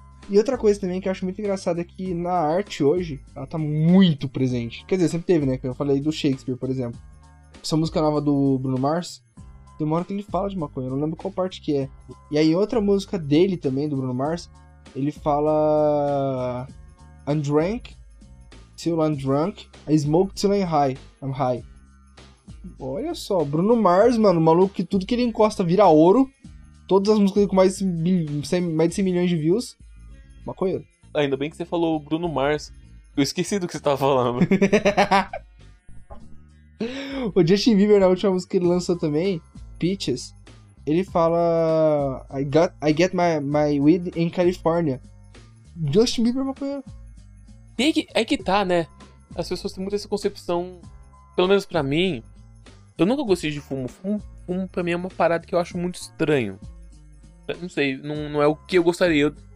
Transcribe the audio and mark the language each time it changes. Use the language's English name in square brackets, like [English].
[Portuguese] E outra coisa também que eu acho muito engraçada é que na arte hoje, ela tá muito presente. Quer dizer, sempre teve, né? Que eu falei do Shakespeare, por exemplo. Essa música nova do Bruno Mars, tem uma hora que ele fala de maconha, eu não lembro qual parte que é. E aí outra música dele também, do Bruno Mars, ele fala... [English] I'm drunk till I'm drunk, I smoke till I'm high. [Portuguese] Olha só, Bruno Mars, mano, o maluco que tudo que ele encosta vira ouro. Todas as músicas com mais de 100 milhões de views. Maconheiro. Ainda bem que você falou Bruno Mars. Eu esqueci do que você tava falando. O Justin Bieber, na última música que ele lançou também, Peaches, ele fala... [English] I get my weed in California. [Portuguese] Justin Bieber, maconheiro. É que tá, né? As pessoas têm muito essa concepção, pelo menos pra mim. Eu nunca gostei de fumo. Fumo pra mim é uma parada que eu acho muito estranho. Eu não sei, não é o que eu gostaria.